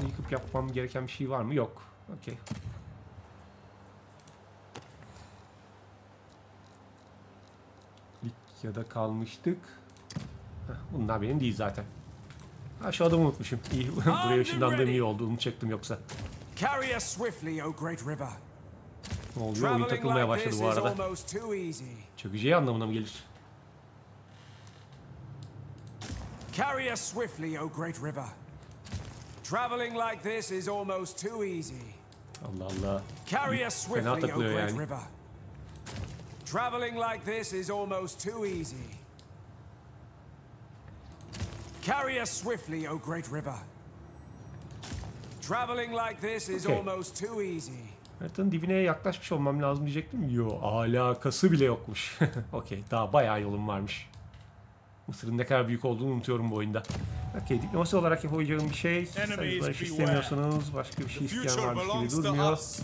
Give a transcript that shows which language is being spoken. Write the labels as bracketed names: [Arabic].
[Turkish] yapmam gereken bir şey var mı? Yok. Okey. Ya da kalmıştık. Heh, bunlar benim değil zaten. Ha, şu adamı unutmuşum. İyi, buraya ışından demeyi iyi oldu. Onu çektim yoksa. [English] Carry us swiftly, o great river. [Turkish] Ne oluyor? Oyun takılmaya başladı bu arada. Çökeceği anlamına mı gelir? [English] Carry us swiftly, o great river. Traveling like this is almost too easy. Allah Allah. Carry us swiftly, o great river. Traveling like this is almost too easy. Carry us swiftly, o great river. Traveling like this is almost too easy. [Turkish] Haritanın dibine yaklaşmış olmam lazım diyecektim. Yo, alakası bile yokmuş. Okey, daha bayağı yolum varmış. Mısır'ın ne kadar büyük olduğunu unutuyorum bu oyunda. Okey, diplomasi olarak yapabileceğim bir şey. Siz barış istemiyorsanız başka bir şey isteyen varmış gibi durmuyor.